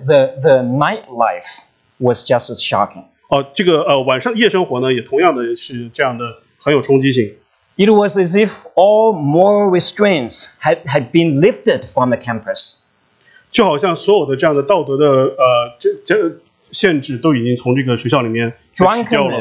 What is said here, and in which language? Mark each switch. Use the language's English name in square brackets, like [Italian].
[English] The night life was just as shocking. [Chinese] 晚上夜生活呢也同样的是这样的很有冲击性。 [English] It was as if all moral restraints had been lifted from the campus. [Chinese] 就好像所有的这样的道德的限制都已经从这个学校里面去掉了。